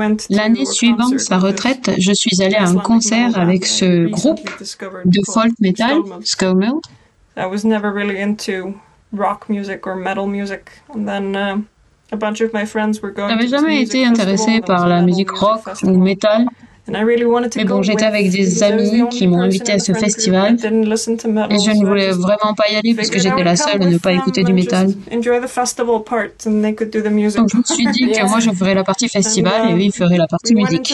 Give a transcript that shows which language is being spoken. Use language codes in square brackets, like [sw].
[fr] L'année suivante sa retraite, je suis allée à un concert avec ce groupe de folk metal, Skullmilk. [en] I was never really into rock music or metal music. And then a bunch of my friends were going. [fr] J'avais jamais été intéressée par la musique rock ou metal. [en] And I really wanted to [fr] Mais bon, j'étais avec des amis qui m'ont invité à ce festival. Et je ne voulais vraiment pas y aller parce que j'étais la seule à ne pas écouter du métal. Donc je me suis dit que moi je ferais la partie festival et eux ils feraient la partie musique.